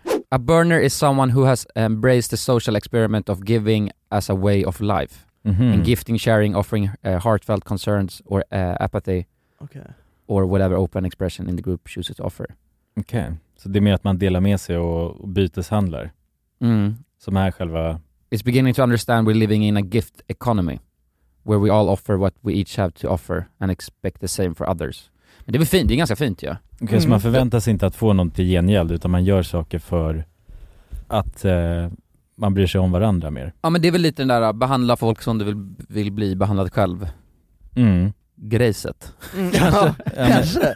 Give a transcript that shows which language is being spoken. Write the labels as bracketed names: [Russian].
[English] A burner is someone who has embraced the social experiment of giving as a way of life. And gifting, sharing, offering heartfelt concerns or apathy. Okay. Or whatever open expression in the group chooses to offer. [Swedish] Okej, okay. Så det är mer att man delar med sig och byteshandlar. Som är själva... [English] It's beginning to understand we're living in a gift economy. Where we all offer what we each have to offer and expect the same for others. [Swedish] Men det är fint, det är ganska fint ju. Ja. Okay, så man förväntar sig inte att få något till gengäld, utan man gör saker för att man bryr sig om varandra mer. Ja, men det är väl lite den där behandla folk som du vill bli behandlad själv. Grejset. Kanske.